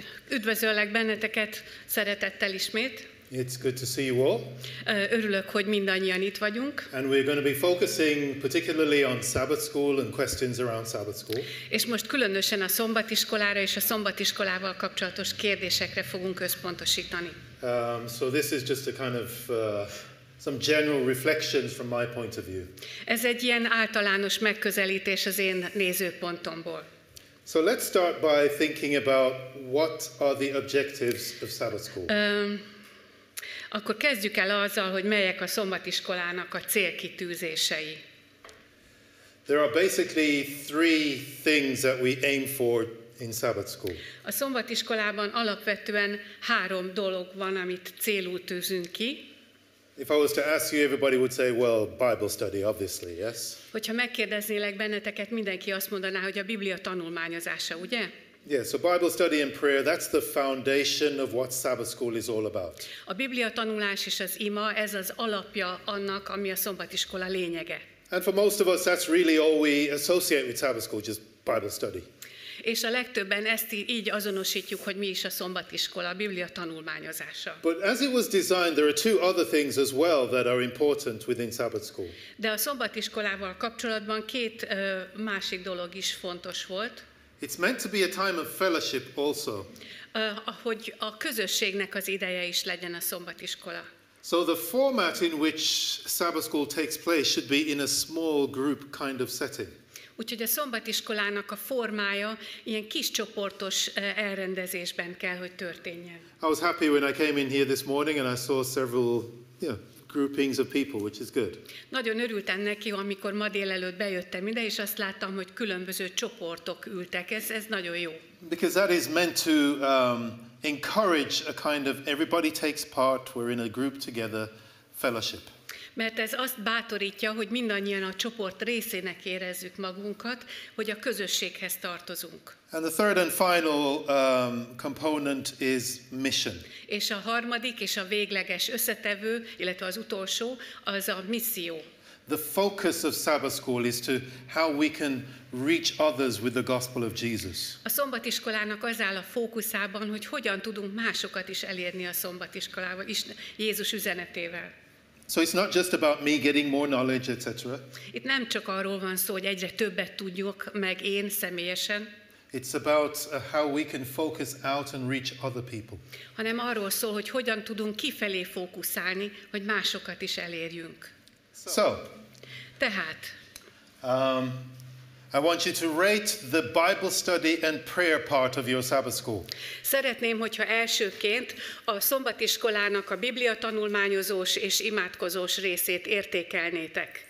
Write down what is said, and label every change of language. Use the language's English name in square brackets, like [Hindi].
[Hungarian] Üdvözöllek benneteket szeretettel ismét. [English] It's good to see you all. [Hungarian] Örülök, hogy mindannyian itt vagyunk. [English] And we're going to be focusing particularly on Sabbath school and questions around Sabbath school. [Hungarian] És most különösen a szombatiskolára és a szombatiskolával kapcsolatos kérdésekre fogunk összpontosítani. [English] So this is just a kind of some general reflections from my point of view. [Hungarian] Ez egy ilyen általános megközelítés az én nézőpontomból. [English] So let's start by thinking about what are the objectives of Sabbath school. [Hungarian] Akkor kezdjük el azzal, hogy melyek a szombatiskolának a célkitűzései. [English] There are basically three things that we aim for in Sabbath school. [Hungarian] A szombatiskolában alapvetően három dolog van, amit célul tűzünk ki. [English] If I was to ask you, everybody would say, well, Bible study, obviously, yes. [Hungarian] Hogyha megkérdeznélek benneteket, mindenki azt mondaná, hogy a Biblia tanulmányozása, ugye? [English] Yeah, so Bible study and prayer, that's the foundation of what Sabbath school is all about. [Hungarian] A Biblia tanulás és az ima, ez az alapja annak, ami a szombatiskola lényege. [English] And for most of us, that's really all we associate with Sabbath school, just Bible study. [Hungarian] És a legtöbben ezt így azonosítjuk, hogy mi is a szombatiskola, a Biblia tanulmányozása. [English] But as it was designed, there are two other things as well that are important within Sabbath school. [Hungarian] De a szombatiskolával kapcsolatban két másik dolog is fontos volt. [English] It's meant to be a time of fellowship also. [Hungarian] Hogy a közösségnek az ideje is legyen a szombatiskola. [English] So the format in which Sabbath school takes place should be in a small group kind of setting. [Hungarian] Úgyhogy a szombatiskolának a formája ilyen kis csoportos elrendezésben kell, hogy történjen. [English] I was happy when I came in here this morning and I saw several, groupings of people, which is good. [Hungarian] Nagyon örültem neki, amikor ma délelőtt bejöttem ide, és azt láttam, hogy különböző csoportok ültek. Ez nagyon jó. [English] Because that is meant to encourage a kind of everybody takes part, we're in a group together fellowship. [Hungarian] Mert ez azt bátorítja, hogy mindannyian a csoport részének érezzük magunkat, hogy a közösséghez tartozunk. [English] And the third and final component is mission. [Hungarian] És a harmadik és a végleges összetevő, illetve az utolsó, az a misszió. [English] The focus of Sabbath school is to how we can reach others with the gospel of Jesus. [Hungarian] A szombatiskolának az áll a fókuszában, hogy hogyan tudunk másokat is elérni a szombatiskolával, Jézus üzenetével. [English] So it's not just about me getting more knowledge, etc. [Hungarian] Itt nem csak arról van szó, hogy egyre többet tudjuk meg én személyesen. [English] It's about how we can focus out and reach other people. [Hungarian] Hanem arról szól, hogy hogyan tudunk kifelé fókuszálni, hogy másokat is elérjünk. [English] So. [Hungarian] Tehát. [English] I want you to rate the Bible study and prayer part of your Sabbath school. [Hungarian] Szeretném, hogyha elsőként a szombatiskolának a Biblia tanulmányozós és imádkozós részét értékelnétek.